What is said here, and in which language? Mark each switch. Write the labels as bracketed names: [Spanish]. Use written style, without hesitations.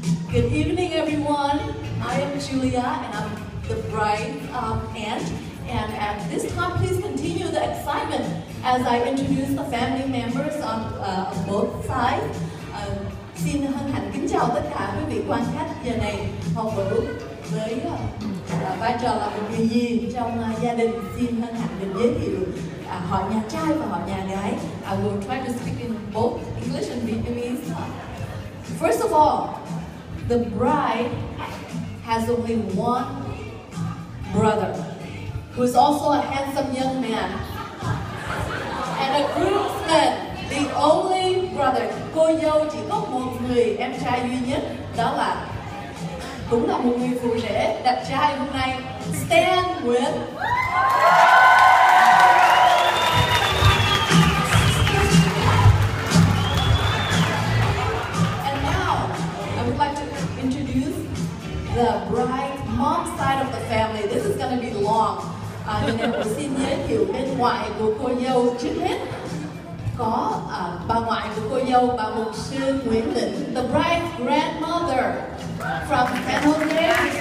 [English] Good evening, everyone. I am Julia, and I'm the bride's aunt. And at this time, please continue the excitement as I introduce the family members on both sides. [Vietnamese] Xin hân hạnh kính chào tất cả quý vị quan khách giờ này phòng vũ với vai trò là một người gì trong gia đình. Xin hân hạnh được giới thiệu họ nhà trai và họ nhà gái. [English] I will try to speak in both English and Vietnamese. First of all, the bride has only one brother, who is also a handsome young man, and a groomsman. The only brother, [Vietnamese] cô dâu chỉ có một người em trai duy nhất, đó là cũng là một người phụ rể đẹp trai hôm nay, Stan Nguyễn. [English] And now, I would like to introduce the bride, mom's side of the family. This is gonna be long. [Vietnamese] Nên em cũng xin giới thiệu bên ngoài của cô dâu trước hết. Có bà ngoại của cô dâu, bà mục sư Nguyễn Định, [English] the bride's grandmother from San Jose.